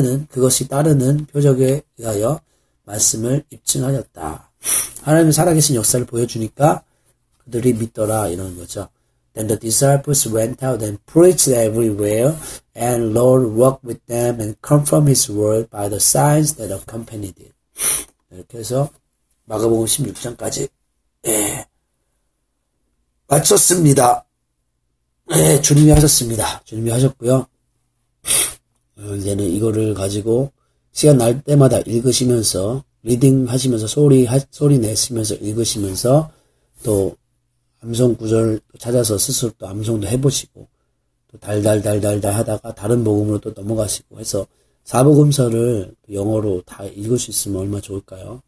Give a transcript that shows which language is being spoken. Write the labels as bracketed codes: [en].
[ko] 그것이 따르는 표적에 의하여 말씀을 입증하셨다. 하나님의 살아계신 역사를 보여주니까 그들이 믿더라. 이런 거죠. [en] Then the disciples went out and preached everywhere, and Lord walked with them and confirmed his word by the signs that accompanied it. [ko] 이렇게 해서, 마가복음 16장까지 예. 마쳤습니다. 예, 주님이 하셨습니다. 주님이 하셨고요. 이제는 이거를 가지고 시간 날 때마다 읽으시면서 리딩 하시면서 소리 내시면서 읽으시면서 또 암송 구절 찾아서 스스로 또 암송도 해보시고 또 달달달달달 하다가 다른 복음으로 또 넘어가시고 해서 사복음서를 영어로 다 읽을 수 있으면 얼마나 좋을까요?